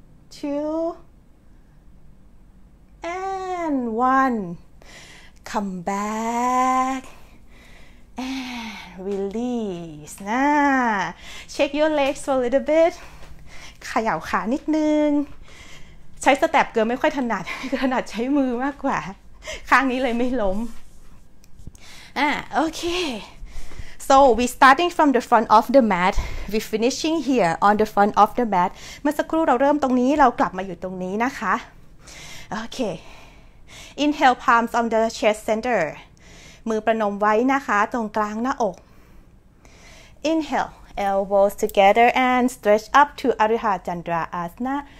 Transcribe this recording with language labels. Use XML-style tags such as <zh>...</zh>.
<en>3 2And one, come back and release. Shake your legs for a little bit.</en> <th>ขย่าขานิดนึงใช้สเต็ปเกินไม่ค่อยถนัดถนัดใช้มือมากกว่าข้างนี้เลยไม่ล้ม</th> <en>Okay. So we starting from the front of the mat. We finishing here on the front of the mat.</en> <th>เมื่อสักครู่เราเริ่มตรงนี้เรากลับมาอยู่ตรงนี้นะคะ</th> <en>Okay. Inhale, palms on the chest center.</en> <th>มือประนมไว้นะคะตรงกลางหน้าอก</th> <en>Inhale, elbows together and stretch up to Arihatchandra Asana.</en>